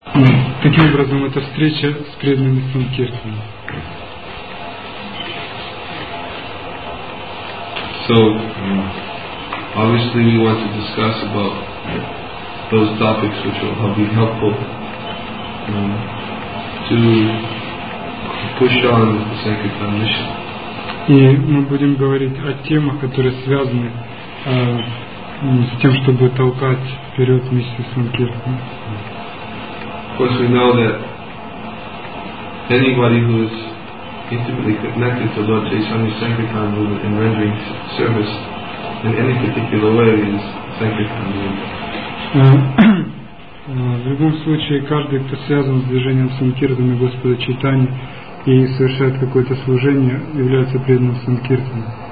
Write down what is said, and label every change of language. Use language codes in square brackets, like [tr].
[ru] Таким образом, это встреча с преданными санкиртаной. [en] So, obviously, we want to discuss about those topics which will be helpful to push on the sankirtan mission. [ru] И мы будем говорить о темах, которые связаны с тем, чтобы толкать вперед миссию санкиртаны. [en] Of course, we know that anybody who is intimately connected to Lord Chaitanya Sankirtan movement and rendering service in any particular way is Sankirtan movement. [ru] В любом случае, каждый, кто связан с движением Санкиртаны Господа Чайтани и совершает какое-то служение, является преданным Санкиртаной.